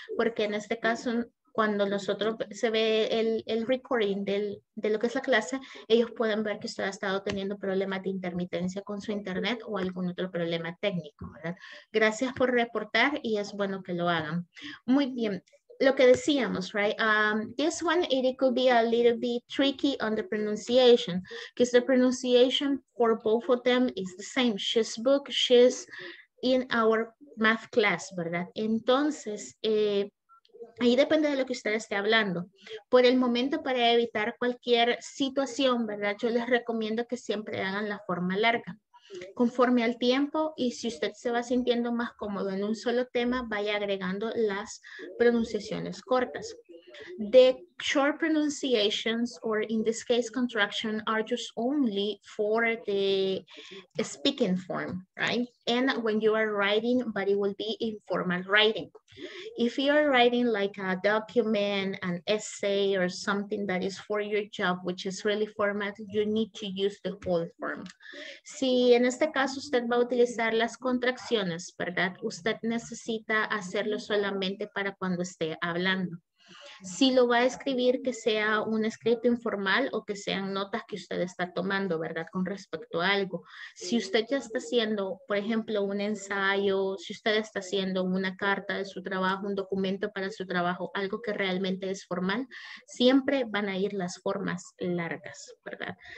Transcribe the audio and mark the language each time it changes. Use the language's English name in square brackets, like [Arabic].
[Spanish] Porque en este caso, cuando nosotros se ve el recording de lo que es la clase, ellos pueden ver que usted ha estado teniendo problemas de intermitencia con su internet o algún otro problema técnico, ¿verdad? Gracias por reportar y es bueno que lo hagan. Muy bien. Lo que decíamos, right? [English] This one, it could be a little bit tricky on the pronunciation, because the pronunciation for both of them is the same. She's book, she's in our math class, ¿verdad? [Spanish] Entonces, ahí depende de lo que usted esté hablando. Por el momento, para evitar cualquier situación, ¿verdad? Yo les recomiendo que siempre hagan la forma larga. Conforme al tiempo y si usted se va sintiendo más cómodo en un solo tema, vaya agregando las pronunciaciones cortas. [English] The short pronunciations, or in this case contraction, are just only for the speaking form, right? And when you are writing, but it will be informal writing. If you are writing like a document, an essay, or something that is for your job, which is really formal, you need to use the whole form. [Spanish] Si en este caso usted va a utilizar las contracciones, ¿verdad? Usted necesita hacerlo solamente para cuando esté hablando. Si lo va a escribir, que sea un escrito informal o que sean notas que usted está tomando, ¿verdad? Con respecto a algo. Si usted ya está haciendo, por ejemplo, un ensayo, si usted está haciendo una carta de su trabajo, un documento para su trabajo, algo que realmente es formal, siempre van a ir las formas largas, ¿verdad?